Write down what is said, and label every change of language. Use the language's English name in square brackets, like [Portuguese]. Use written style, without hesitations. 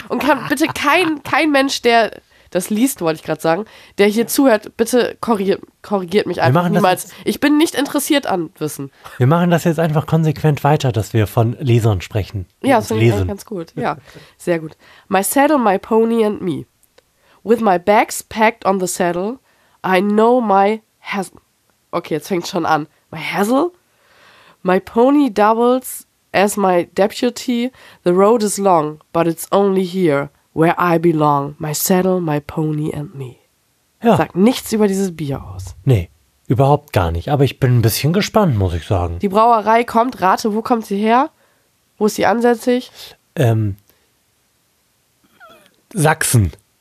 [German] Und kann bitte kein Mensch, der das liest, wollte ich gerade sagen, der hier zuhört, bitte korrigiert mich einfach niemals. Ich bin nicht interessiert an Wissen. Wir machen das jetzt einfach konsequent weiter, dass wir von Lesern sprechen. Ja, das finde ich ganz gut. Ja, sehr gut. [English] My saddle, my pony and me. With my bags packed on the saddle, I know my hassle. [German] Okay, jetzt fängt schon an. [English] My hassle? My pony doubles as my deputy. The road is long, but it's only here. Where I belong, my saddle, my pony and me. [German] Ja. Sagt nichts über dieses Bier aus. Nee, überhaupt gar nicht. Aber ich bin ein bisschen gespannt, muss ich sagen. Die Brauerei kommt, rate, wo kommt sie her? Wo ist sie ansässig? Sachsen.